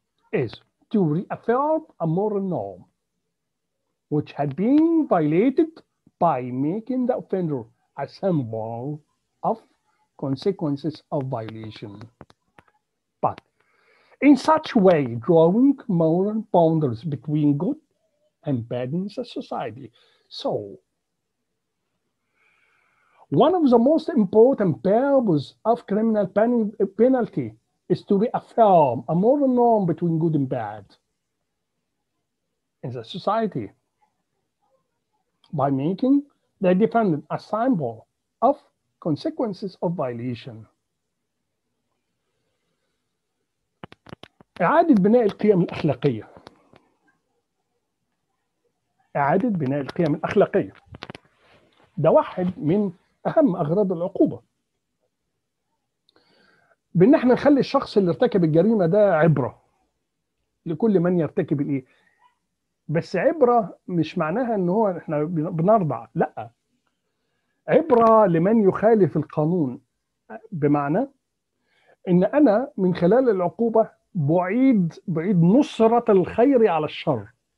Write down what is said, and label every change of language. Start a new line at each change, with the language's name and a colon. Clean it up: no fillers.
English: is to reaffirm a moral norm which had been violated by making the offender a symbol of consequences of violation. But in such way, drawing moral boundaries between good and bad in the society. So, one of the most important purposes of criminal penalty is to reaffirm a moral norm between good and bad in the society by making the defendant a symbol of consequences of violation.
Arabic: إعادة بناء القيم الأخلاقية إعادة بناء القيم الأخلاقية. ده واحد من أهم أغراض العقوبة. بإن احنا نخلي الشخص اللي ارتكب الجريمة ده عبرة لكل من يرتكب الإيه؟ بس عبرة مش معناها إن هو احنا بنرضع، لأ، عبرة لمن يخالف القانون، بمعنى إن أنا من خلال العقوبة بعيد نصرة الخير على الشر.